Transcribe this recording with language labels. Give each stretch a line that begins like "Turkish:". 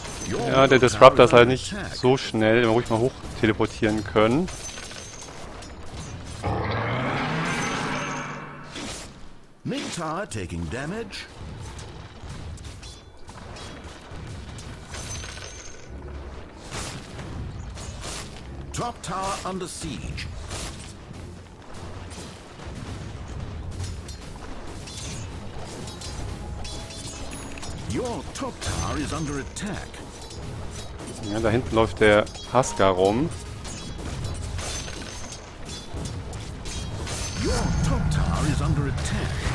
German: Ja, der Disruptor ist halt nicht so schnell, den wir ruhig mal hoch teleportieren können.
English: Mid-Tower taking damage. Top Tower under siege. Your top tower is under attack.
German: Ja, da hinten läuft der Husker rum.
English: Your top tower is under attack.